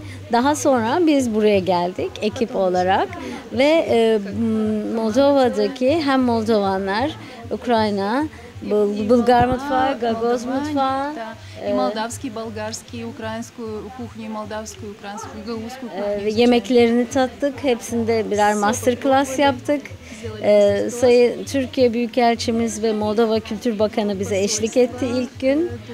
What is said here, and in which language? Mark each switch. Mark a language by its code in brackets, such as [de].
[tr] Daha sonra biz buraya geldik ekip olarak ve Moldova'daki hem Moldovanlar, Ukrayna, Bulgar mutfağı, Gagoz mutfağı. [ru] Молдавский, болгарский, украинскую кухню, молдавскую, украинскую, гагаузскую кухню. [tr] Yemeklerini tattık, hepsinde birer masterclass yaptık. Sayın Türkiye Büyükelçimiz ve Moldova Kültür Bakanı bize eşlik etti ilk gün.